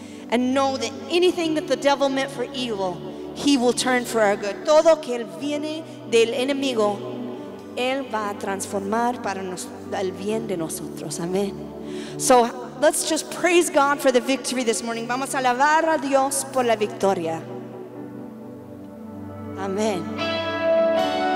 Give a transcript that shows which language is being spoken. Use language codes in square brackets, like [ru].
[en] And know that anything that the devil meant for evil, he will turn for our good. [es] Todo que viene del enemigo, él va a transformar para el bien de nosotros. [en] Amen. So, let's just praise God for the victory this morning. [es] Vamos a alabar a Dios por la victoria. [en] Amen.